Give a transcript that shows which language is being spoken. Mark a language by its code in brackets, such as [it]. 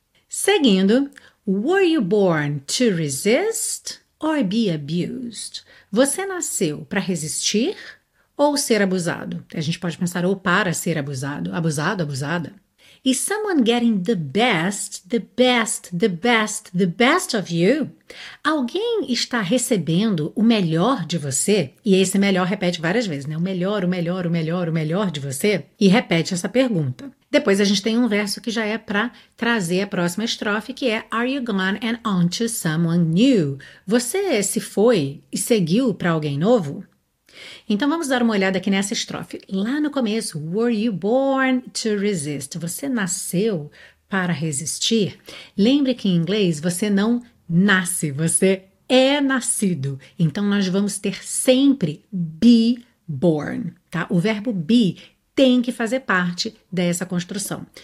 [pt] Seguindo, [en] were you born to resist or be abused? [pt] Você nasceu para resistir ou ser abusado? A gente pode pensar ou para ser abusado, abusado, abusada. [en] Is someone getting the best, the best, the best, the best of you? [pt] Alguém está recebendo o melhor de você? E esse melhor repete várias vezes, né? O melhor, o melhor, o melhor, o melhor de você? E repete essa pergunta. Depois a gente tem um verso que já é para trazer a próxima estrofe, que é [en] Are you gone and on to someone new? [pt] Você se foi e seguiu para alguém novo? Então vamos dar uma olhada aqui nessa estrofe. Lá no começo, [en] Were you born to resist? [pt] Você nasceu para resistir? Lembre que em inglês você não nasce, você é nascido. Então nós vamos ter sempre be born, tá? O verbo be tem que fazer parte dessa construção.